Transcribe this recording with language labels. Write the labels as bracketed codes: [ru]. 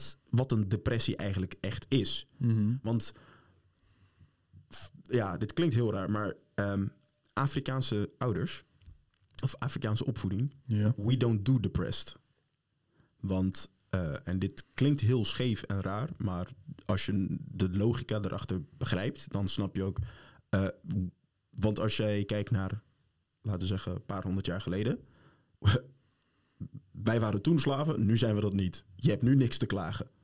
[nl] Wat een depressie eigenlijk echt is. Mm-hmm. Want, ja, dit klinkt heel raar, maar Afrikaanse ouders... Of Afrikaanse opvoeding, yeah. [en] We don't do depressed. [nl] Want En dit klinkt heel scheef en raar, maar als je de logica erachter begrijpt, dan snap je ook. Want als jij kijkt naar, laten we zeggen, een paar honderd jaar geleden. Wij waren toen slaven, nu zijn we dat niet. Je hebt nu niks te klagen.